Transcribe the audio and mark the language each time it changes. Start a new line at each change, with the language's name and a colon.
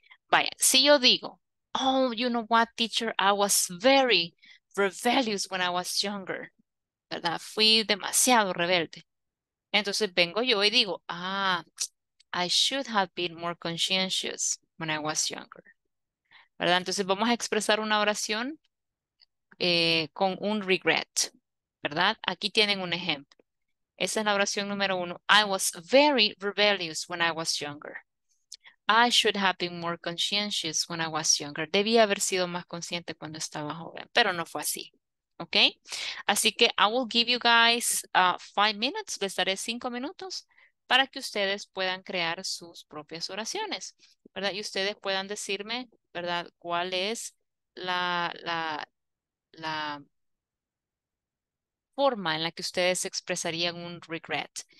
Spanish: Vaya, si yo digo,
English: oh, you know what, teacher, I was very rebellious when I was younger.
Spanish: ¿Verdad? Fui demasiado rebelde. Entonces vengo yo y digo,
English: ah, I should have been more conscientious when I was younger.
Spanish: ¿Verdad? Entonces vamos a expresar una oración con un regret, ¿verdad? Aquí tienen un ejemplo. Esa es la oración número uno.
English: I was very rebellious when I was younger. I should have been more conscientious when I was younger.
Spanish: Debía haber sido más consciente cuando estaba joven, pero no fue así. ¿Ok? Así que
English: I will give you guys 5 minutes.
Spanish: Les daré 5 minutos para que ustedes puedan crear sus propias oraciones, ¿verdad? Y ustedes puedan decirme, ¿verdad? ¿Cuál es la forma en la que ustedes expresarían un regret?